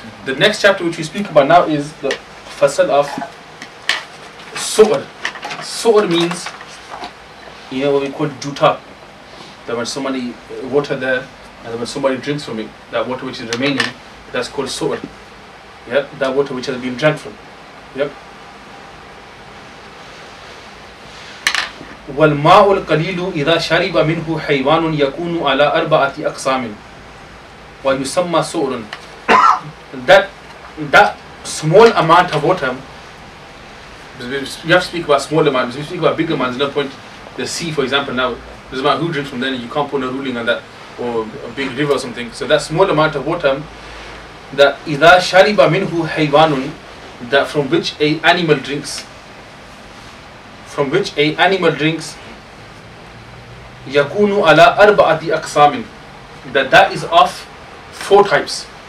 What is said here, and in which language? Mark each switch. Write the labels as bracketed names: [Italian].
[English] The next chapter which we speak about now is the fasal of su'ur. Su'ur means, you know, what we call juta. That when somebody water there, and when somebody drinks from it, that water which is remaining, that's called su'ur. Yep, that water which has been drank from. Yep. [Arabic] والماء القليل إذا شرب منه حيوان يكون على أربعة أقسام ويسمى سؤر. [English] That small amount of water, we have to speak about small amounts, we speak about big amounts, no point. The sea, for example, now, doesn't matter who drinks from there, you can't put a ruling on that, or a big river or something. So that small amount of water, that [Arabic] إذا شرب منه حيوان, [English] that from which a animal drinks, from which a animal drinks, [Arabic] yakunu ala arba'ati aqsamin, [English] that is of four types.